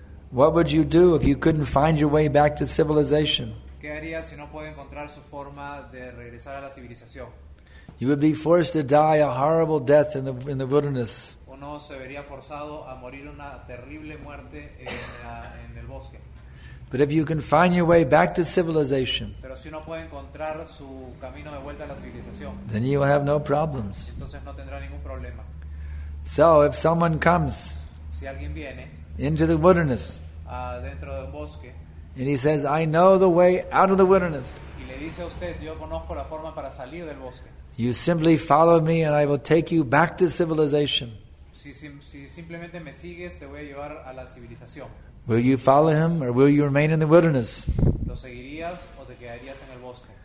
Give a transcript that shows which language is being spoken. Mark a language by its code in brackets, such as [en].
[en] what would you do if you couldn't find your way back to civilization? [es] ¿Qué haría si no puede encontrar su forma de regresar a la civilización? [en] You would be forced to die a horrible death in the wilderness. [es] Uno se vería forzado a morir una terrible muerte en el bosque. [en] But if you can find your way back to civilization, [es] pero si uno puede encontrar su camino de vuelta a la civilización, [en] then you will have no problems. [es] Entonces no tendrá ningún problema. [en] So if someone comes, [es] si alguien viene, [en] into the wilderness, [es] dentro de un bosque, [en] and he says, I know the way out of the wilderness, [es] y le dice a usted, yo conozco la forma para salir del bosque, [en] you simply follow me and I will take you back to civilization. [es] Si simplemente me sigues, te voy a llevar a la civilización. [en] Will you follow him or will you remain in the wilderness? [es] ¿Lo seguirías o te quedarías en el bosque?